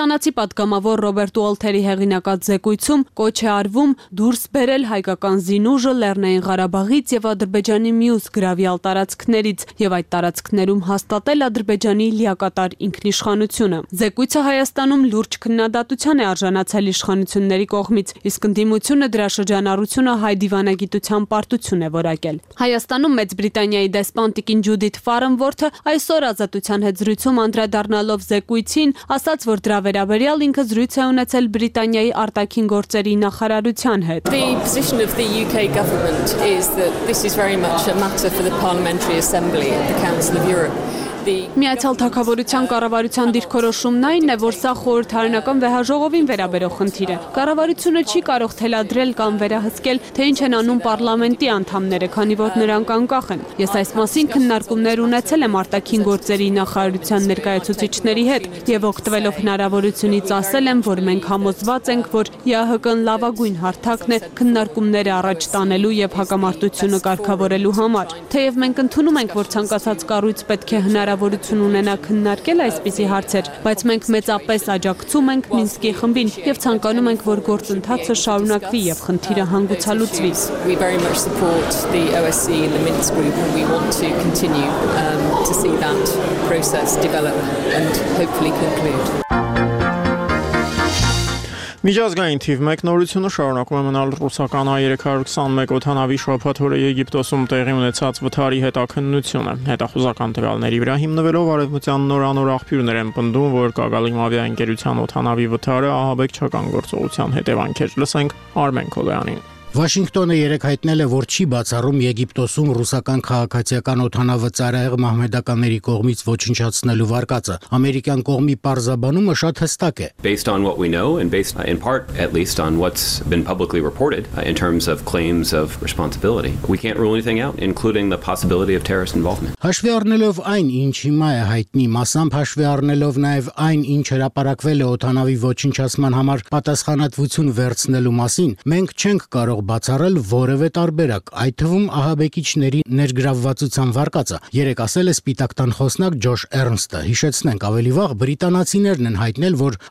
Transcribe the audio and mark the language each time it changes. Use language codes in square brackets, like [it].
[hy] Խաղացի պատգամավոր Ռոբերտ Ուոլթերի հեղինակած զեկույցում կոչ է արվում դուրս բերել հայկական զինուժը Լեռնային Ղարաբաղից եւ Ադրբեջանի մյուս գրավյալ տարածքներից եւ այդ տարածքներում հաստատել Ադրբեջանի լիակատար ինքնիշխանությունը։ Զեկույցը Հայաստանում լուրջ քննադատության է արժանացել իշխանությունների կողմից, իսկ ընդդիմությունը դրա շրջանառությունը հայ դիվանագիտության պարտություն է որակել։ Հայաստանում Մեծ Բրիտանիայի դեսպանտիկին Ջուդիթ Ֆարնվորթը այսօր ազատության հետ զրույցում անդրադառնալով զեկույցին ասաց, որ դրա վերաբերյալ ինքը զրույց է ունեցել Բրիտանիայի արտաքին գործերի նախարարության հետ։ [en] The position of the UK government is that this is very much a matter for the Parliamentary Assembly and the Council of Europe. [hy] Միացյալ թագավորության կառավարության դիրքորոշումն այն է, որ սա խորհրդարանական վեհաժողովին վերաբերող խնդիր է։ Կառավարությունը չի կարող թելադրել կամ վերահսկել, թե ինչ են անում պարլամենտի անդամները, քանի որ նրանք անկախ են։ Ես այս մասին քննարկումներ ունեցել եմ արտաքին գործերի նախարարության ներկայացուցիչների հետ եւ օգտվելով հնարավորությունից ասել եմ, որ մենք համոզված ենք, որ ԵԱՀԿ-ն լավագույն հարթակն է քննարկումները առաջ տանելու եւ հակամարտությունը կարգավորելու համար։ Թեև մենք ընդունում ենք, որ ցանկացած կառույց պետք է հնարավորություն ունենա քննարկել այսպիսի հարցեր, բայց մենք մեծապես աջակցում ենք Մինսկի խմբին եւ ցանկանում ենք, որ գործընթացը շարունակվի եւ խնդիրը հանգուցալուծվի։ [en] We very much support the OSCE and the Minsk group and we want to continue to see that process develop and hopefully conclude. [hy] Միջազգային թիվ 1 նորությունը շարունակում է մնալ ռուսական A321 օթանավի շրջափաթորը Եգիպտոսում տեղի ունեցած վթարի հետաքննությունը։ Հետախուզական տվյալների վրա հիմնվելով արևմտյան նորանոր աղբյուրներ են պնդում, որ Կագալիմ ավիաընկերության օթանավի վթարը ահաբեկչական գործողության հետևանք էր։ Լսենք Արմեն Քոլյանին։ Վաշինգտոնը երեք հայտնել է, որ չի բացառում Եգիպտոսում ռուսական քաղաքացիական օթանավը ծառայող մահմեդականների կողմից ոչնչացնելու վարկածը։ Ամերիկյան կողմի պարզաբանումը շատ հստակ է։ [en] Based on what we know and based in part at least on what's been publicly reported in terms of claims of responsibility, we can't rule anything out including the possibility of terrorist involvement. [hy] Հաշվի առնելով այն, ինչ հիմա է հայտնի, մասամբ հաշվի առնելով նաև այն, ինչ հրապարակվել է օթանավի ոչնչացման համար պատասխանատվություն վերցնելու մասին, մենք չենք կարող բացառել որևէ տարբերակ, այդ թվում ահաբեկիչների ներգրավվածության վարկածը, երեկ ասել է Սպիտակտան խոսնակ Ջոշ Էրնստը։ Հիշեցնենք, ավելի վաղ բրիտանացիներն են հայտնել, որ